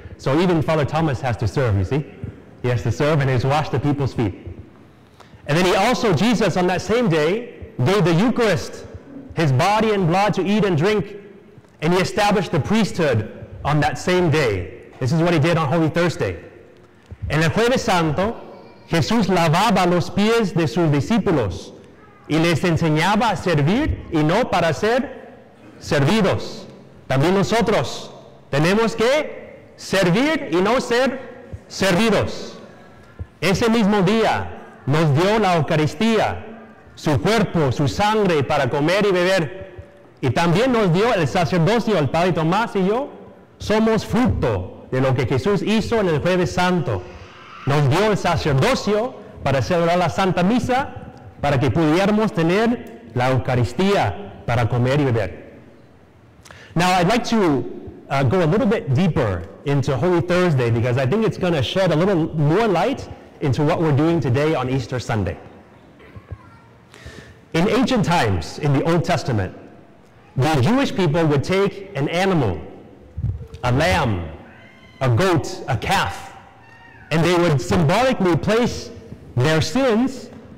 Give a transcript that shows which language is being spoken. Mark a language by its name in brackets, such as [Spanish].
[English] So even Father Thomas has to serve, you see? He has to serve and he's washed the people's feet. And then he also, Jesus, on that same day, gave the Eucharist, his body and blood, to eat and drink. And he established the priesthood on that same day. This is what he did on Holy Thursday. [Spanish] En el Jueves Santo, Jesús lavaba los pies de sus discípulos y les enseñaba a servir y no para ser servidos. También nosotros tenemos que servir y no ser servidos. Ese mismo día nos dio la Eucaristía, su cuerpo, su sangre para comer y beber. Y también nos dio el sacerdocio, el Padre Tomás y yo somos fruto de lo que Jesús hizo en el Jueves Santo. Nos dio el sacerdocio para celebrar la Santa Misa, para que pudiéramos tener la Eucaristía para comer y beber. [English] Now, I'd like to go a little bit deeper into Holy Thursday because I think it's going to shed a little more light into what we're doing today on Easter Sunday. In ancient times, in the Old Testament, the Jewish people would take an animal, a lamb, a goat, a calf, and they would symbolically place their sins